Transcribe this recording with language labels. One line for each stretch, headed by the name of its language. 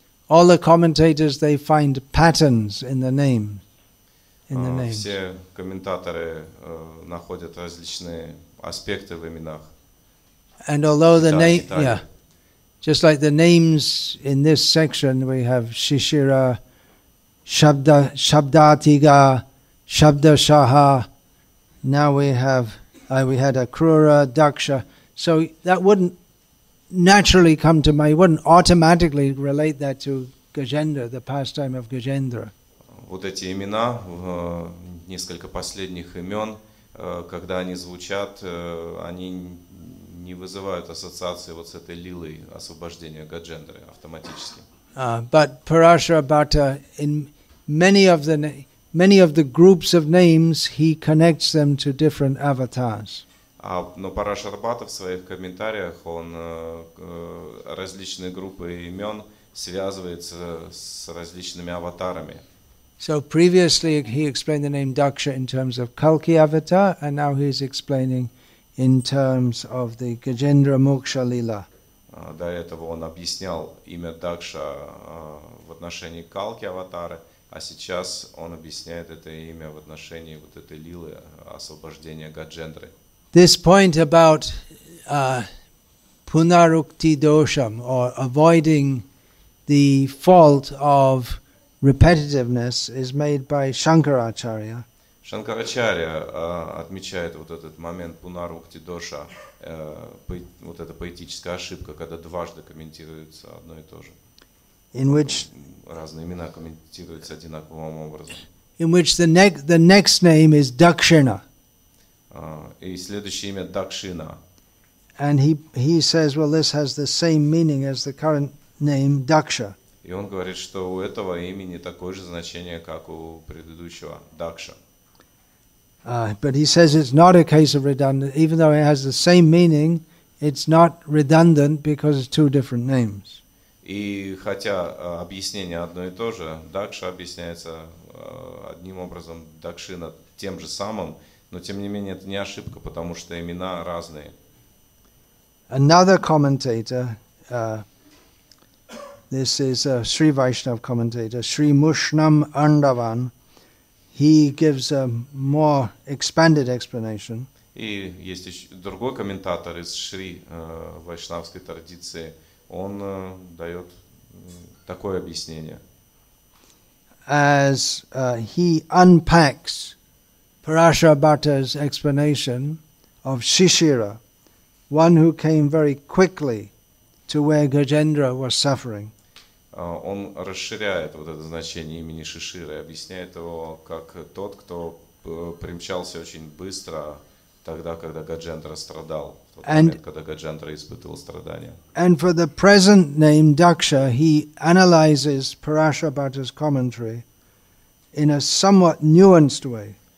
English: All the commentators, they find patterns in the name.
Russian: Все комментаторы находят различные аспекты в именах.
English: And although the name, yeah, just like the names in this section, we have Shishira, Shabdatiga, Shabdashaha, now we have we had Akrura, Daksha. So that wouldn't naturally come to mind, wouldn't automatically relate that to Gajendra, the pastime of Gajendra.
Russian: Вот эти имена, несколько последних имен, когда они звучат, они не вызывают ассоциации вот с этой лилой освобождения Гаджендры автоматически.
English: But Parashurabhata, in many of the groups of names, he connects them to different avatars.
Russian: Но Парашарабхата в своих комментариях, он различные группы имен связывается с различными аватарами.
English: So previously he explained the name Daksha in terms of Kalki avatar, and now he's explaining in terms of the Gajendra Moksha Lila.
Russian: До этого он объяснял имя Дакша в отношении Калки аватара, а сейчас он объясняет это имя в отношении вот этой лилы освобождения Гаджендры.
English: This point about punarukti dosham, or avoiding the fault of repetitiveness, is made by Shankaracharya.
Russian: Shankaracharya отмечает вот этот момент punarukti dosha, вот эта поэтическая ошибка, когда дважды комментируется одно и то же.
English: In which
Russian: разные имена комментируются одинаковым образом.
English: In which the next name is Dakshina.
Russian: И следующее имя Дакшина.
English: And he says, well, this has the same meaning as the current name Daksha.
Russian: И он говорит, что у этого имени такое же значение, как у предыдущего Дакша.
English: But he says it's not a case of redundancy, even though it has the same meaning. It's not redundant because it's two different names.
Russian: И хотя объяснение одно и то же, Дакша объясняется одним образом, Дакшина тем же самым, но тем не менее это не ошибка, потому что имена разные.
English: Another commentator, this is a Sri Vaishnav commentator, Sri Mushnam Andavan, he gives a more expanded explanation.
Russian: И есть еще другой комментатор из Шри вайшнавской традиции. Он дает такое объяснение.
English: As he unpacks Parashabhata's explanation of Shishira, one who came very quickly to where Gajendra was suffering.
Russian: Он расширяет вот это значение имени Шишира и объясняет его как тот, кто примчался очень быстро тогда, когда Гаджендра страдал, в тот момент, когда Гаджендра испытывал страдания.
English: And for the present name Daksha, he analyzes Parashabhata's commentary in a somewhat nuanced way.